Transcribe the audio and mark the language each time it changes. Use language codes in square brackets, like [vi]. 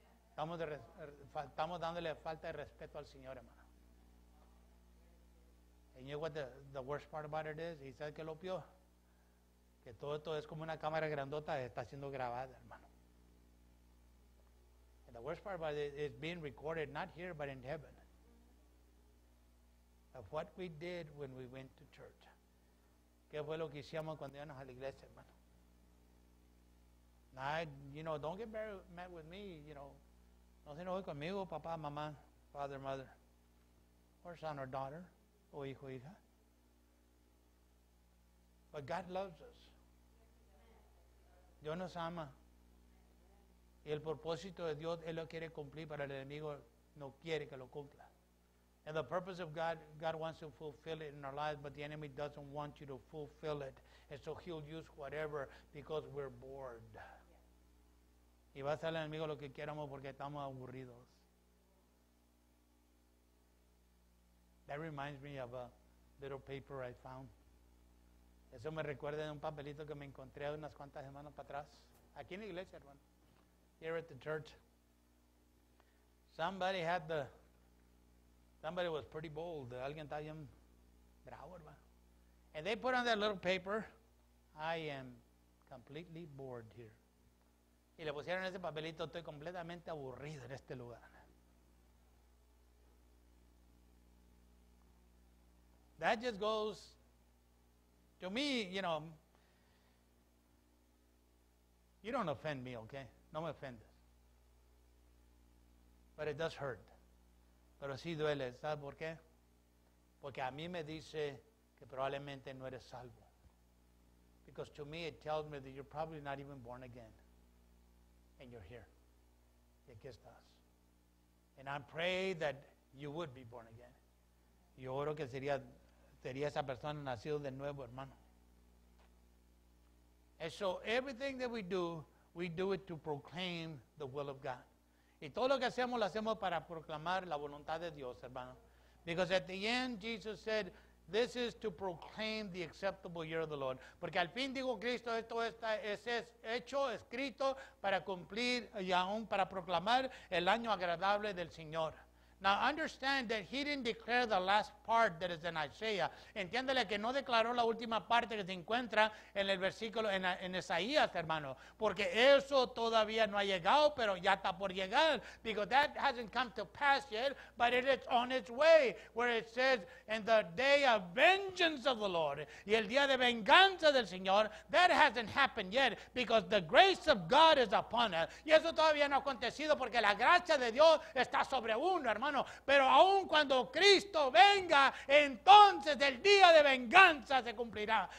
[es] Estamos dándole falta de respeto al Señor, hermano. [en] And you know what the worst part about it is? [es] ¿Y sabes qué es lo peor? Que todo esto es como una cámara grandota, está siendo grabada, hermano. [en] The worst part about it is being recorded, not here, but in heaven. Of what we did when we went to church. [es] ¿Qué fue lo que hicimos cuando íbamos a la iglesia, hermano? [en] Now, you know, don't get mad with me, you know. [es] No se enoje conmigo, papá, mamá, [en] father, mother, or son or daughter, [es] o hijo, hija. [en] But God loves us. [es] Dios nos ama. Y el propósito de Dios, Él lo quiere cumplir, pero el enemigo no quiere que lo cumpla. [en] And the purpose of God, God wants to fulfill it in our lives, but the enemy doesn't want you to fulfill it. And so He'll use whatever because we're bored. [es] Y va a ser el enemigo lo que queramos porque estamos aburridos. [en] That reminds me of a little paper I found. [es] Eso me recuerda de un papelito que me encontré unas cuantas semanas para atrás. Aquí en la iglesia, hermano. [en] Here at the church, somebody was pretty bold. [es] Alguien está bien bravo, hermano. [en] And they put on that little paper, I am completely bored here. [es] Y le pusieron ese papelito, estoy completamente aburrido en este lugar. [en] That just goes to me, you know. You don't offend me, okay? [es] No me ofendes. [en] But it does hurt. [es] Pero sí duele. ¿Sabes por qué? Porque a mí me dice que probablemente no eres salvo. [en] Because to me it tells me that you're probably not even born again. And you're here. [es] Y aquí estás. [en] And I pray that you would be born again. [es] Yo oro que sería esa persona nacido de nuevo, hermano. [en] And so everything that we do it to proclaim the will of God. [es] Y todo lo que hacemos, lo hacemos para proclamar la voluntad de Dios, hermano. [en] Because at the end, Jesus said, this is to proclaim the acceptable year of the Lord. [es] Porque al fin dijo Cristo, esto está, es hecho, escrito, para cumplir y aún para proclamar el año agradable del Señor. [en] Now understand that he didn't declare the last part that is in Isaiah. [es] Entiéndele que no declaró la última parte que se encuentra en el versículo, en Isaías, hermano. Porque eso todavía no ha llegado, pero ya está por llegar. [en] Because that hasn't come to pass yet, but it is on its way. Where it says, in the day of vengeance of the Lord. [es] Y el día de venganza del Señor, [en] that hasn't happened yet. Because the grace of God is upon us. [es] Y eso todavía no ha acontecido porque la gracia de Dios está sobre uno, hermano, pero aun cuando Cristo venga, entonces el día de venganza se cumplirá.